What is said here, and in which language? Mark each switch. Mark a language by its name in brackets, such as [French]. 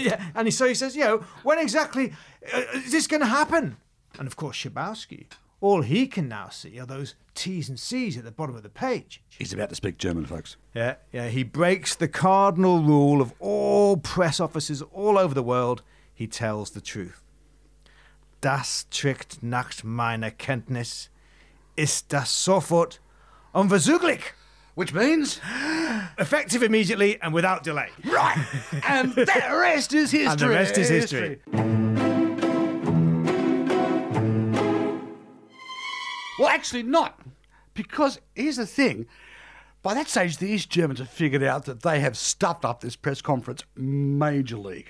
[English] Yeah, and so he says, you know, when exactly is this going to happen? And of course, Schabowski, all he can now see are those T's and C's at the bottom of the page. He's about to speak German, folks. Yeah, yeah. He breaks the cardinal rule of all press officers all over the world. He tells the truth. [German] Das trägt nach meiner Kenntnis ist das sofort unverzüglich. [English] Which means? Effective immediately and without delay. Right. And the rest is history. And the rest is history. Well, actually not, because here's the thing. By that stage, the East Germans have figured out that they have stuffed up this press conference majorly.